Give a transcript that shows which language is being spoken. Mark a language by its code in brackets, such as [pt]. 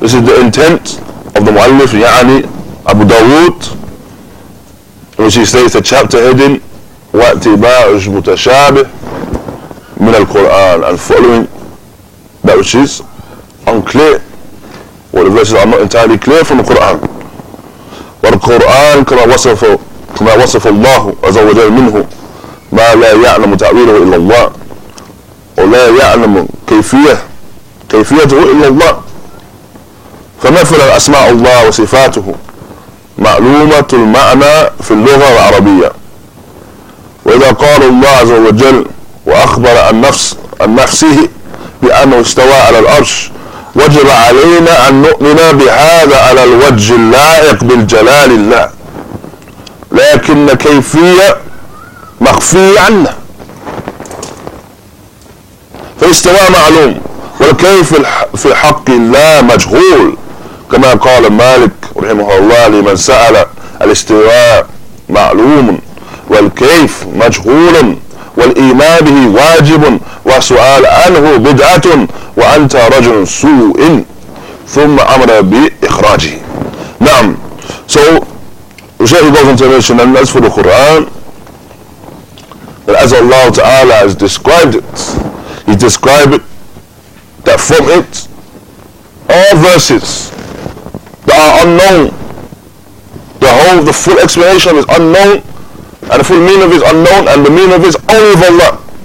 [en] This is the intent of the Mu'allif, Ya'ani Abu Dawood, which he states the chapter heading, [ar] وَاَتِبَاعُ مُتَشَابِهِ مِنَ الْقُرْآنِ, [en] and following that which is unclear, or the verses are not entirely clear from the Qur'an. [ar] وَالْقُرْآنِ كَمَا وَصَفَ اللَّهُ عَزَ وَجَلْ مِنْهُ مَا لَا يَعْلَمُ تَعْوِيلُهُ إِلَّا اللَّهُ ولا يعلم كيفيته إلا الله. فمثل أسماء الله وصفاته معلومة المعنى في اللغة العربية. وإذا قال الله عز وجل وأخبر عن نفسه بأنه استوى على العرش, وجب علينا أن نؤمن بهذا على الوجه اللائق بالجلال الله, لكن كيفية مخفية عنا. فالاستواء معلوم, والكيف في حق الله مجهول, كما قال مالك رحمه الله لمن سأل, الاستواء معلوم والكيف مجهول والإيمان به واجب وسؤال عنه بدعة وأنت رجل سوء, ثم أمر بإخراجه. نعم. [en] So Shaykh goes on to mention that as for the Quran, that as Allah Ta'ala has described it, he described it, that from it, all verses that are unknown, the full explanation is unknown, and the full meaning of it is unknown, and the meaning of it is only of Allah.